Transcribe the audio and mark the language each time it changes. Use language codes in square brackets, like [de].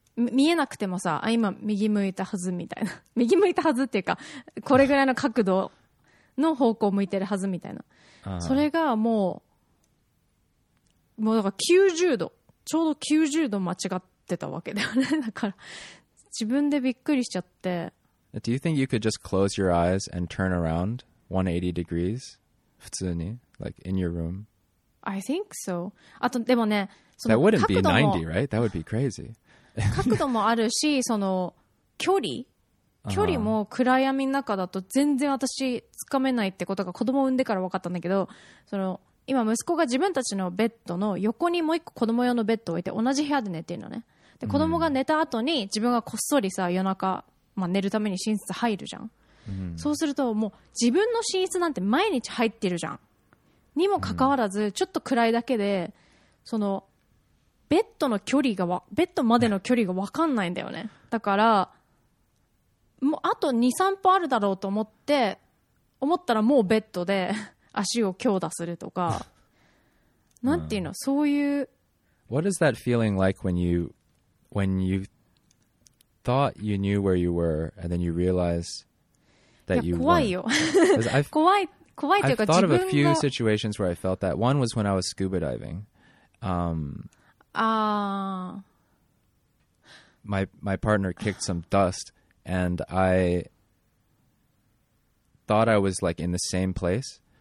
[ja] 見えなくてもさあ今右向いたはずみたいな右向いたはずっていうかこれぐらいの角度の方向向いてるはずみたいな、それがもうだから90度ちょうど90度間違ってたわけだよね、だから自分でびっくりしちゃって。 [en] Do you think you could just close your eyes and turn around 180 degrees? [ja] 普通に? [en] Like in your room? I think so. [ja] あとでもね、その [en] That wouldn't be 90, right? That would be crazy. [ja] 角度もあるし、その距離、距離も暗闇の中だと全然私つかめないってことが子供産んでから分かったんだけど、その今息子が自分たちのベッドの横にもう一個子供用のベッドを置いて同じ部屋で寝てるのね。で子供が寝た後に自分がこっそりさ夜中、まあ、寝るために寝室入るじゃん、うん、そうするともう自分の寝室なんて毎日入ってるじゃんにもかかわらずちょっと暗いだけで、うん、そのベッドの距離がベッドまでの距離が分かんないんだよね、だからもうあと 2,3 歩あるだろうと思って思ったらもうベッドで足を強打するとかなんていうの、そういう [en] What is that feeling like when you thought you knew where you were and then you realize that you weren't. I've thought of a few situations where I felt that. One was when I was scuba diving. My partner kicked some dust and I thought I was like in the same place.